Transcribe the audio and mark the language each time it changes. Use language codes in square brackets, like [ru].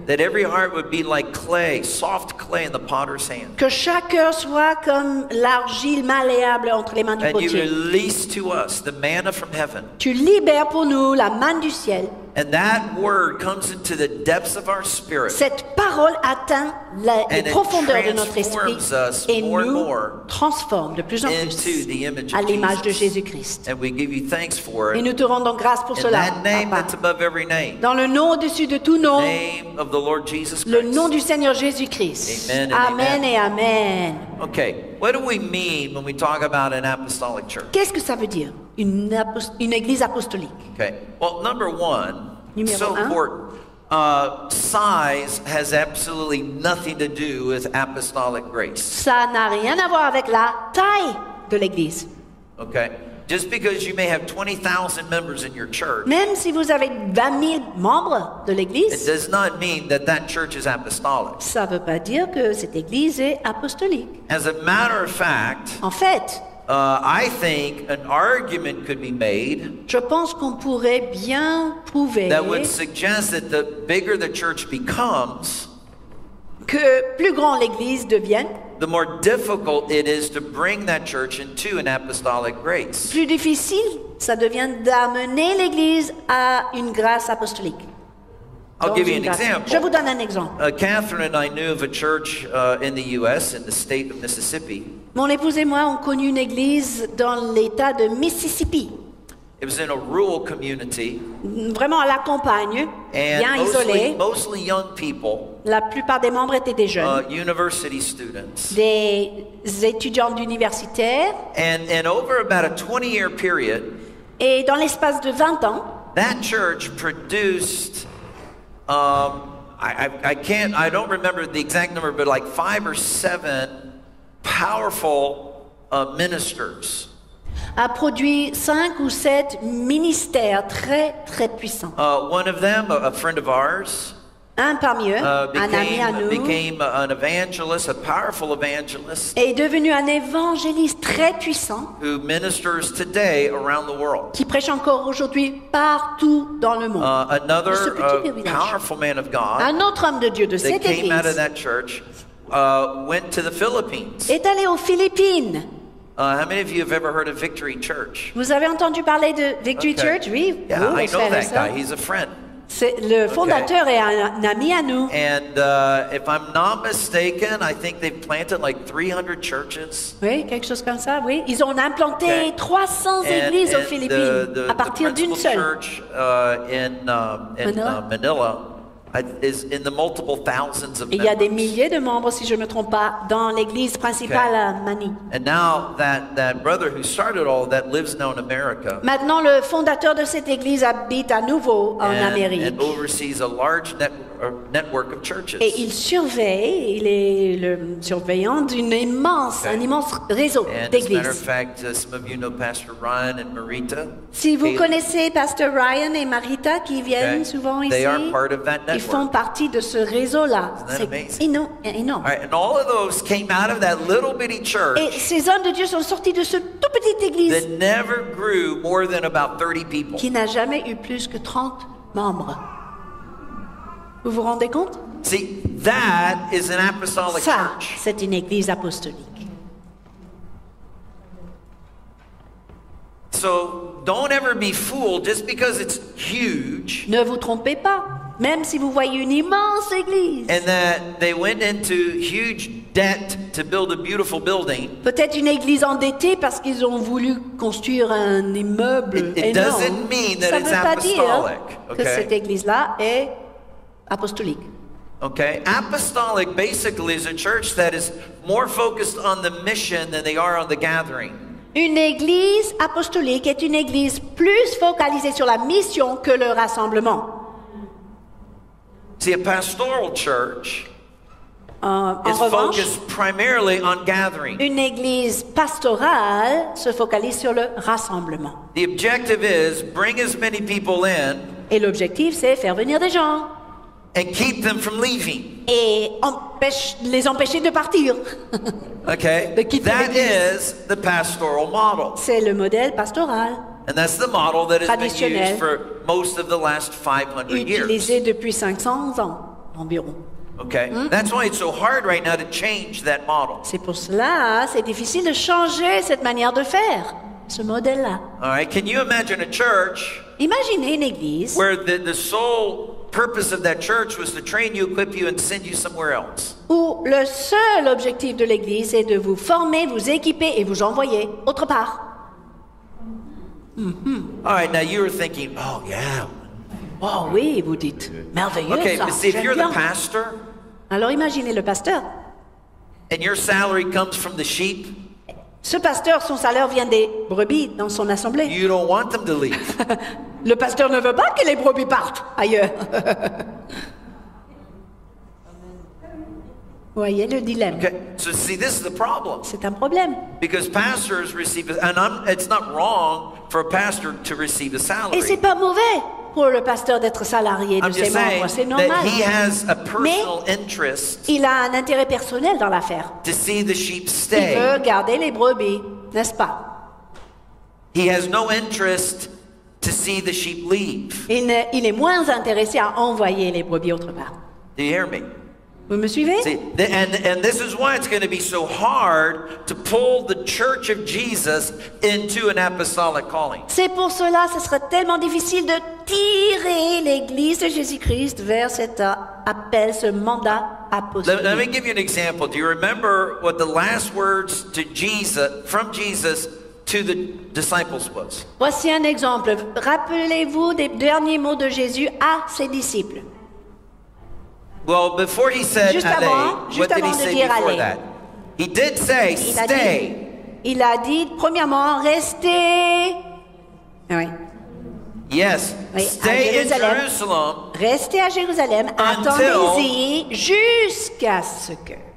[en] That every heart would be like clay, soft clay in the potter's hand. [fr] Que chaque cœur soit comme l'argile malléable entre les mains du potier. [en] And you release to us the manna from heaven. [fr] Tu libères pour nous la manne du ciel. [en] And that word comes into the depths of our spirit. [fr] Cette parole atteint les profondeurs de notre esprit et nous transforme de plus en plus à l'image de Jésus-Christ. [en] And we give you thanks for it. [fr] Et nous te rendons grâce pour cela, [en] Papa. In that name that's above every name. [fr] Dans le nom au-dessus de tout nom. [en] Name of the Lord Jesus Christ. [fr] Le nom du Seigneur Jésus-Christ. [en] Amen. [fr] Amen et amen. [en] Okay. What do we mean when we talk about an apostolic church? [fr] Qu'est-ce que ça veut dire? Une église apostolique. [en] Okay. Well, number one, [fr] numéro [en] so [fr] un. [en] Important. Size has absolutely nothing to do with apostolic grace. [fr] Ça n'a rien à voir avec la taille de l'église. [en] Okay. Just because you may have 20,000 members in your church, [fr] même si vous avez 20 000 membres de l'église, [en] it does not mean that that church is apostolic. [fr] Ça veut pas dire que cette église est apostolique. [en] As a matter of fact, [fr] en fait, [en] I think an argument could be made. [fr] Je pense qu'on pourrait bien prouver [en] that would suggest that the bigger the church becomes, [fr] que plus grand l'église devienne, [en] the more difficult it is to bring that church into an apostolic grace. [fr] Plus difficile ça devient d'amener l'église à une grâce apostolique. [en] I'll give you an example. [fr] Je vous donne un exemple. [en] Catherine and I knew of a church in the U.S. in the state of Mississippi. [fr] Mon épouse et moi avons connu une église dans l'état de Mississippi. [en] It was in a rural community. [fr] Vraiment à la campagne, [en] and [fr] bien isolée. [en] Mostly young people. [fr] La plupart des membres étaient des jeunes. [en] University students. [fr] Des étudiants d'universitaire. [en] And over about a 20-year period. [fr] Et dans l'espace de 20 ans. [en] That church produced. I don't remember the exact number, but like 5 or 7 powerful ministers. [fr] A produit 5 ou 7 ministères très très puissants. [en] One of them, a friend of ours, [fr] un parmi eux, un ami à nous, [en] became an evangelist, a powerful evangelist, [fr] est devenu un évangéliste très puissant, [en] who ministers today around the world, [fr] qui prêche encore aujourd'hui partout dans le monde. [en] Another powerful man of God, [fr] un autre homme de Dieu de cette église, [en] came out of that church, went to the Philippines, [fr] est allé aux Philippines. [en] How many of you have ever heard of Victory Church? [fr] Vous avez entendu parler de Victory [en] okay. [fr] Church? Oui. [en] Yeah, [fr] oui, [en] I know that guy. He's a friend. [fr] C'est le fondateur okay. est un ami à nous. [en] And if I'm not mistaken, I think they've planted like 300 churches. [fr] Oui, quelque chose comme ça. Oui, ils ont implanté okay. 300 églises aux Philippines à partir d'une seule. [en] The principal church Manila. Is in the multiple thousands of members. [fr] Il y a des milliers de membres, si je ne me trompe pas, dans l'église principale okay. à Mani. [en] And now that brother who started all that lives now in America. [fr] Maintenant, le fondateur de cette église habite à nouveau en Amérique. [en] And oversees a large network of churches. [fr] Et il est le surveillant d'une immense, okay. un immense réseau [en] and [fr] d'églises. [en] As a matter of fact, some of you know Pastor Ryan and Marita. [fr] Si vous connaissez Pasteur Ryan et Marita qui viennent okay. souvent [en] they [fr] ici, [en] are part of that [fr] ils font partie de ce réseau-là. [en] Isn't that amazing? [fr] Énorme. Et ces hommes de Dieu sont sortis de cette toute petite église [en] that never grew more than about 30 people. [fr] Qui n'a jamais eu plus que 30 membres. Vous vous rendez compte? [en] See, that is an apostolic [fr] ça, [en] church. [fr] C'est une église apostolique. [en] So, don't ever be fooled just because it's huge. [fr] Ne vous trompez pas, même si vous voyez une immense église. [en] And that they went into huge debt to build a beautiful building. [fr] Peut-être une église endettée parce qu'ils ont voulu construire un immeuble [en] it [fr] énorme. [en] Doesn't mean that [fr] ça [en] it's [fr] veut [en] apostolic, [fr] pas dire [en] okay? [fr] que cette église-là est apostolique. [en] Okay, apostolic basically is a church that is more focused on the mission than they are on the gathering. [fr] Une église apostolique est une église plus focalisée sur la mission que le rassemblement. [en] See, a pastoral church [fr] en [en] is [fr] revanche, [en] focused primarily on gathering. [fr] Une église pastorale se focalise sur le rassemblement. [en] The objective is bring as many people in. [fr] Et l'objectif c'est faire venir des gens. [en] and keep them from leaving. [fr] Et les empêcher de partir. [en] Okay. [fr] De quitter [en] l'église. That is the pastoral model. [fr] C'est le modèle pastoral. [en] And that's the model that has been used for most of the last 500 [fr] utilisé [en] years. [fr] Utilisé depuis 500 ans environ. [en] Okay. Mm-hmm. That's why it's so hard right now to change that model. [fr] C'est pour cela, c'est difficile de changer cette manière de faire, ce modèle-là. [en] All right. Can you imagine a church? [fr] Imaginez une église. [en] Where the sole purpose of that church was to train you, equip you, and send you somewhere else. [fr] Où le seul objectif de l'église est de vous former, vous équiper et vous envoyer autre part. [en] Mm-hmm. All right, now you're thinking, oh yeah. [fr] Oh oui, vous dites, merveilleux. [en] Okay, [fr] ça, [en] but see, if you're [fr] bien. [en] The pastor, [fr] alors imaginez le pasteur. [en] And your salary comes from the sheep. [fr] Ce pasteur, son salaire vient des brebis dans son assemblée. [en] You don't want them to leave. [fr] Le pasteur ne veut pas que les brebis partent ailleurs. Voyez le dilemme. [en] Okay. So see, this is the problem. [fr] C'est un problème. [en] Because pastors receive, and it's not wrong for a pastor to receive a salary. [fr] Et c'est pas mauvais pour le pasteur d'être salarié de ses membres. C'est normal. [en] That he has a personal interest. [fr] Il a un intérêt personnel dans l'affaire. [en] To see the sheep stay. [fr] Il veut garder les brebis, n'est-ce pas? [en] He has no interest to see the sheep leave. [fr] Il est moins intéressé à envoyer les brebis autre part. [en] Do you hear me? [fr] Vous me suivez? [en] See, and this is why it's going to be so hard to pull the Church of Jesus into an apostolic calling. [fr] C'est pour cela, ce sera tellement difficile de tirer l'Église de Jésus-Christ vers cet appel, ce mandat apostolique. [en] Let me give you an example. Do you remember what the last words to Jesus from Jesus to the disciples was? [fr] Voici un exemple. Rappelez-vous des derniers mots de Jésus à ses disciples. [en] Well, before he said allez, what did he say before [fr] allez. [en] That? He did say, stay. [fr] Il a dit, premièrement, restez. Oui. [en] Yes, [fr] oui, [en] stay in Jerusalem. [fr] Restez à Jérusalem. Attendez-y jusqu'à ce que.